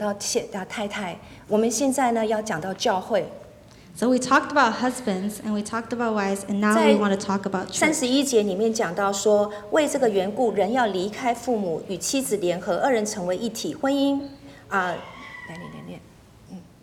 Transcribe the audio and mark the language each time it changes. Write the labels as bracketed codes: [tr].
[zh] 所以我们刚刚讲到夫妻，也讲到太太，我们现在呢要讲到教会。 [en] So we talked about husbands and we talked about wives, and now we want to talk about church. [zh] 31节里面讲到说，为这个缘故，人要离开父母，与妻子联合，二人成为一体，婚姻。啊，来，来，来，来，嗯。